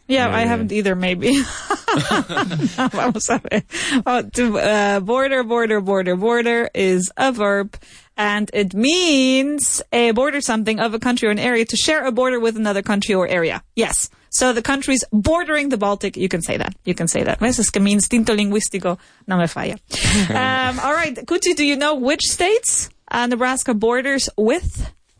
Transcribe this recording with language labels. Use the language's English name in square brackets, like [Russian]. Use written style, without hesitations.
[English] Yeah, I haven't either, maybe. [Spanish] Vamos a ver. [English] Border is a verb. And it means a border something of a country or an area to share a border with another country or area. Yes. So the countries bordering the Baltic, you can say that. [Spanish] ¿Ves? Es que mi instinto lingüístico no me falla. [English] All right. Kuchi, do you know which states Nebraska borders with?